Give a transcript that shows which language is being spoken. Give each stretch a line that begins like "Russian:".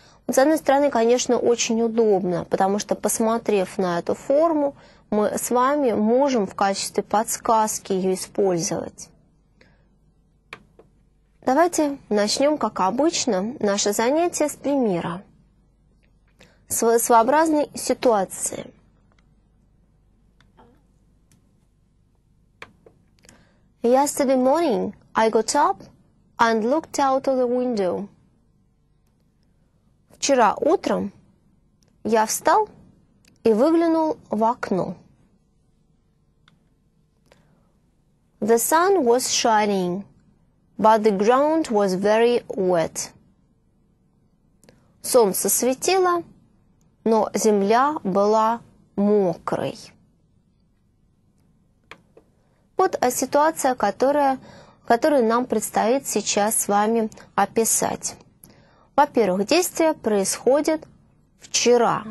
Russian: С одной стороны, конечно, очень удобно, потому что, посмотрев на эту форму, мы с вами можем в качестве подсказки ее использовать. Давайте начнем, как обычно, наше занятие с примера. Своеобразной ситуации.
English: Yesterday morning I got up and looked out of the window.
Russian: Вчера утром я встал и выглянул в окно.
English: The sun was shining, but the ground was very wet.
Russian: Солнце светило, но земля была мокрой. Вот ситуация, которую нам предстоит сейчас с вами описать. Во-первых, действие происходит вчера.